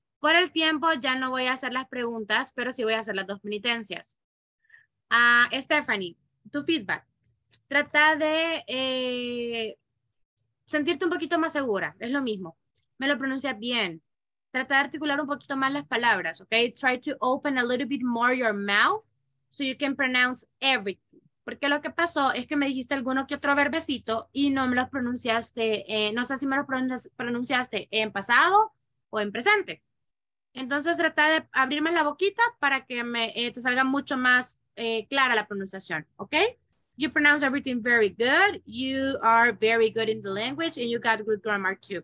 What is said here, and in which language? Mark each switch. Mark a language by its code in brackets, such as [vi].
[es] Por el tiempo, ya no voy a hacer las preguntas, pero sí voy a hacer las dos penitencias. Stephanie, tu feedback. Trata de sentirte un poquito más segura. Es lo mismo. Me lo pronuncias bien. Trata de articular un poquito más las palabras, ¿ok? [en] Try to open a little bit more your mouth so you can pronounce everything. [es] Porque lo que pasó es que me dijiste alguno que otro verbecito y no me lo pronunciaste, no sé si me lo pronunciaste en pasado o en presente. Entonces trata de abrirme la boquita para que me te salga mucho más clara la pronunciación, ¿ok? [en] You pronounce everything very good. You are very good in the language and you got good grammar too.